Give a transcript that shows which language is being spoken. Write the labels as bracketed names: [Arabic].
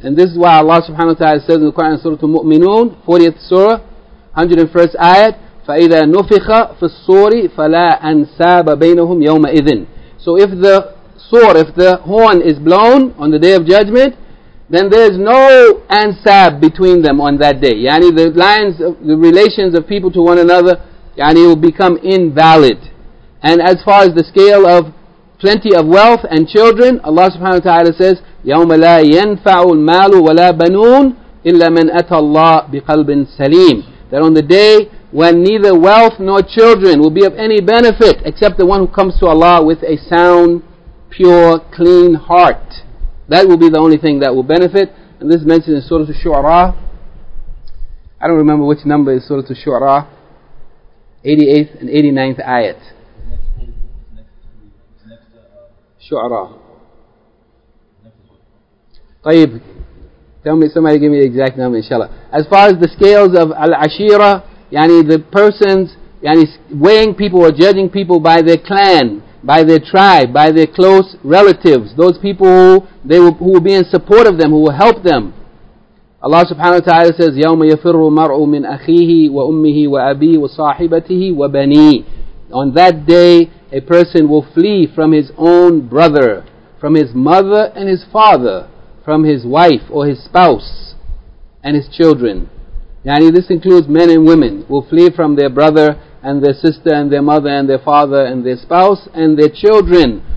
[English] And this is why Allah subhanahu wa ta'ala says in the Quran, Surah Al-Mu'minun, 40th Surah, 101st Ayat, [Arabic] فَإِذَا نُفِخَ فِي الصُّورِ فَلَا أَنْسَابَ بَيْنَهُمْ يَوْمَئِذٍ [English] So if the sword, if the horn is blown on the Day of Judgment, then there is no ansab between them on that day. Yani the lines, of the relations of people to one another, yani will become invalid. And as far as the scale of plenty of wealth and children, Allah subhanahu wa ta'ala says, [Arabic] يوم لا ينفع المال ولا بنون إلا من أتى الله بقلب سليم. [English] That on the day when neither wealth nor children will be of any benefit except the one who comes to Allah with a sound, pure, clean heart. That will be the only thing that will benefit. And this is mentioned in Surah Al-Shu'ara. I don't remember which number is Surah Al-Shu'ara. 88th and 89th ayat. Shu'ara. طيب. Tell me, somebody give me the exact number, inshallah. As far as the scales of Al-Ashira, yani the persons, yani weighing people or judging people by their clan, by their tribe, by their close relatives, those people who will be in support of them, who will help them. [Arabic] Allah subhanahu wa ta'ala says, يَوْمَ يَفِرُّ مَرْءُ مِنْ أَخِيهِ وَأُمِّهِ وَأَبِيهِ وَصَاحِبَتِهِ وَبَنِيهِ. [English] On that day, a person will flee from his own brother, from his mother and his father, from his wife or his spouse and his children. Yani this includes men and women will flee from their brother and their sister and their mother and their father and their spouse and their children.